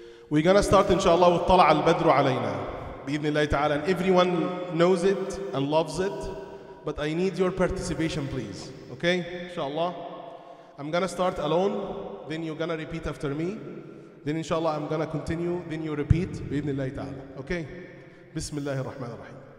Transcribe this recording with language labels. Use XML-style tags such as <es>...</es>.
<en>We're gonna start inshallah with</en> <ar>طلع البدر علينا بإذن الله تعالى.</ar> <en>And everyone knows it and loves it, but I need your participation please. Okay, inshallah. I'm gonna start alone, then you're gonna repeat after me. Then inshallah I'm gonna continue, then you repeat</en> <ar>بإذن الله تعالى.</ar> <en>Okay,</en> <ar>بسم الله الرحمن الرحيم.</ar>